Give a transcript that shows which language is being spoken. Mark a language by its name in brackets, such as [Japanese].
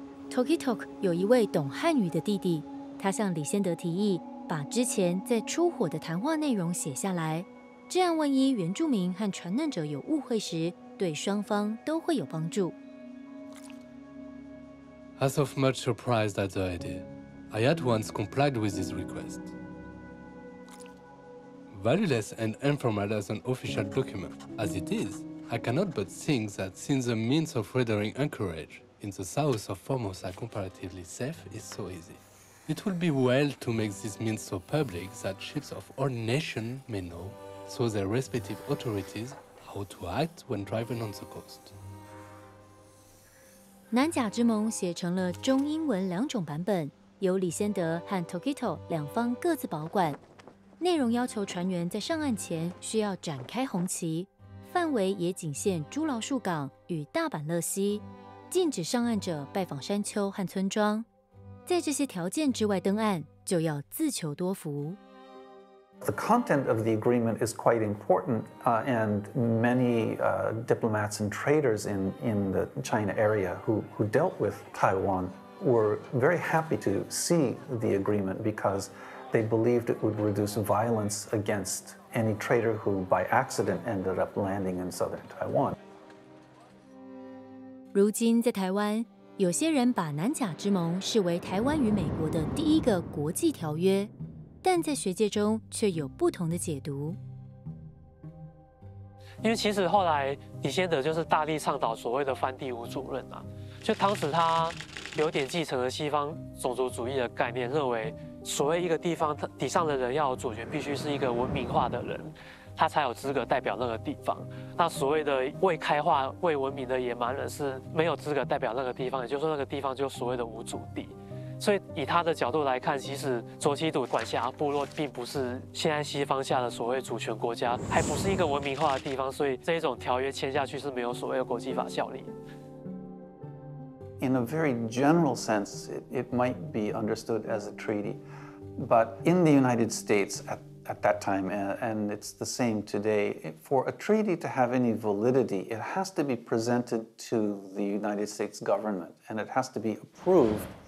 [Chinese] Toki Talk 有一位懂汉语的弟弟，他向李先德提议把之前在出火的谈话内容写下来，这样万一原住民和传难者有误会时，对双方都会有帮助。 [English] As of much surprised at the idea, I at once complied with his request. Valueless and informal as an official document as it is, I cannot but think that since the means of weathering anchorage in the south of Formosa are comparatively safe is so easy, it would be well to make this means so public that ships of all nations may know, so their respective authorities how to act when driving on the coast. [Chinese] 南甲之盟写成了中英文两种版本，由李先德和 Tokito 两方各自保管。内容要求船员在上岸前需要展开红旗，范围也仅限猪老树港与大阪乐西，禁止上岸者拜访山丘和村庄。在这些条件之外登岸，就要自求多福。 [English] The content of the agreement is quite important, and many diplomats and traders in the China area who dealt with Taiwan were very happy to see the agreement because they believed it would reduce violence against any trader who by accident ended up landing in southern Taiwan. [Chinese] 如今在台湾，有些人把南甲之盟视为台湾与美国的第一个国际条约。但在学界中却有不同的解读，因为其实后来李先德就是大力倡导所谓的藩地无主任啊，就当时他有点继承了西方种族主义的概念，认为所谓一个地方底上的人要有主权，必须是一个文明化的人，他才有资格代表那个地方。那所谓的未开化、未文明的野蛮人是没有资格代表那个地方，也就是说那个地方就所谓的无主地。所以以他的角度来看，其实卓西土管辖部落并不是现在西方下的所谓主权国家，还不是一个文明化的地方，所以这种条约签下去是没有所谓的国际法效力。 [English] In a very general sense, it might be understood as a treaty, but in the United States at that time, and it's the same today, for a treaty to have any validity, it has to be presented to the United States government, and it has to be approved.